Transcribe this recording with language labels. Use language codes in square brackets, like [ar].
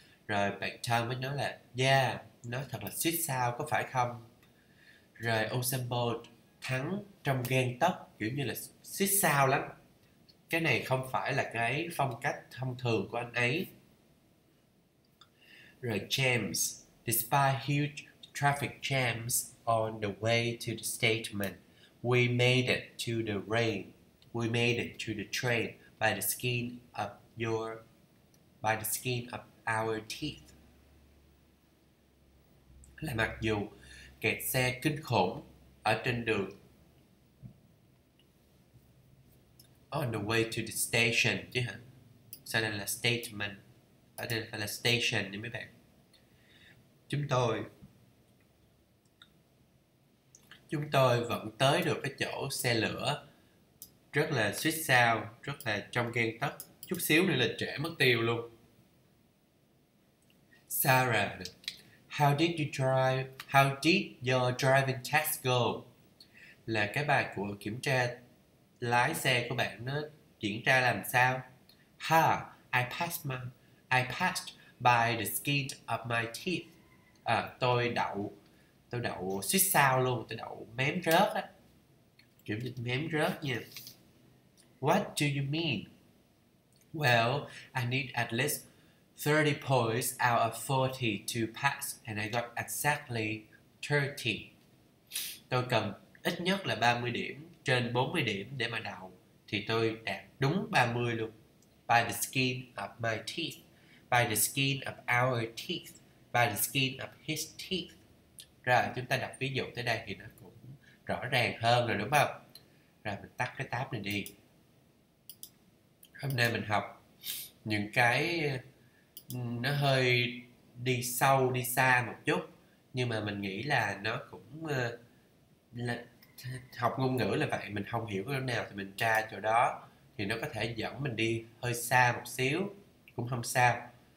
[vi] Rồi bạn Tom mới nói là, yeah, nó thật là suýt sao, có phải không? Rồi Usain Bolt thắng trong gang tấc, kiểu như là suýt sao lắm. Cái này không phải là cái phong cách thông thường của anh ấy. [en] Rồi James, despite huge traffic jams on the way to the station, we made it to the rain. We made it to the train by the skin of our teeth. [vi] Là mặc dù kẹt xe kinh khủng ở trên đường, [en] on the way to the station [vi] chứ hả? Sao đây là statement? Ở đây phải là station nha mấy bạn. Chúng tôi vẫn tới được cái chỗ xe lửa rất là suýt sao, rất là trong gang tấc, chút xíu nữa là trễ mất tiêu luôn. [en] Sarah, how did your driving test go? [vi] Là cái bài của kiểm tra lái xe của bạn nó diễn ra làm sao? [en] Ha, I passed by the skin of my teeth. [vi] À, tôi đậu suýt sao luôn, tôi đậu mém rớt á. Kiểu như mém rớt nha. [en] What do you mean? Well, I need at least 30 points out of 40 to pass, and I got exactly 30. [vi] Tôi cần ít nhất là 30 điểm trên 40 điểm để mà đậu, thì tôi đạt đúng 30 luôn. [en] By the skin of my teeth, by the skin of our teeth, by the skin of his teeth. [vi] Rồi chúng ta đọc ví dụ tới đây thì nó cũng rõ ràng hơn rồi đúng không? Rồi mình tắt cái tab này đi. Hôm nay mình học những cái nó hơi đi sâu đi xa một chút, nhưng mà mình nghĩ là nó cũng là học ngôn ngữ là vậy, mình không hiểu chỗ nào thì mình tra chỗ đó, thì nó có thể dẫn mình đi hơi xa một xíu cũng không sao.